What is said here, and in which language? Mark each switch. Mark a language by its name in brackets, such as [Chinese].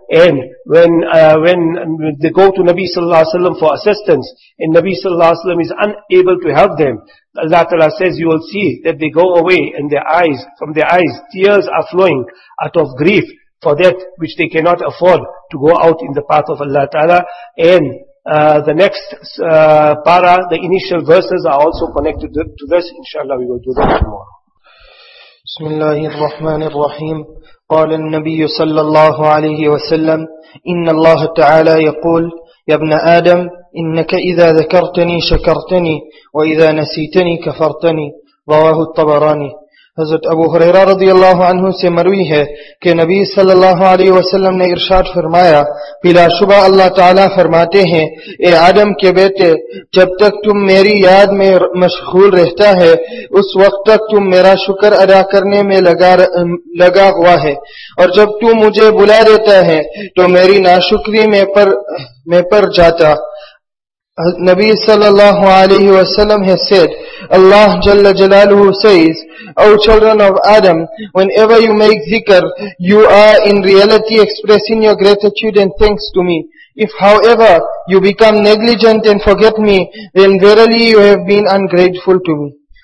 [English] And when they go to Nabi sallallahu alaihi wasallam for assistance, and Nabi sallallahu alaihi wasallam is unable to help them, Allah Ta'ala says, you will see that they go away, and from their eyes tears are flowing out of grief for that which they cannot afford to go out in the path of Allah Ta'ala. And the next para, the initial verses are also connected to this. Inshallah, we will do that tomorrow. [Arabic] بسم الله الرحمن الرحيم. قال النبي صلى الله عليه وسلم, إن الله تعالى يقول, يا ابن آدم, إنك إذا ذكرتني شكرتني, وإذا نسيتني كفرتني. رواه الطبراني. [Urdu] حضرت ابو هريره رضی اللہ عنہ سے مروی ہے کہ نبی صلی اللہ علیہ وسلم نے ارشاد فرمایا, بلا شبہ اللہ تعالیٰ فرماتے ہیں, اے آدم کے بیٹے, جب تک تم میری یاد میں مشغول رہتا ہے, اس وقت تک تم میرا شکر ادا کرنے میں لگا ہوا ہے, اور جب تم مجھے بلا دیتا ہے تو میری ناشکری میں پر جاتا. [English] Nabi sallallahu alayhi wa sallam has said, Allah jalla jalaluhu says, O children of Adam, whenever you make zikr, you are in reality expressing your gratitude and thanks to me. If, however, you become negligent and forget me, then verily you have been ungrateful to me.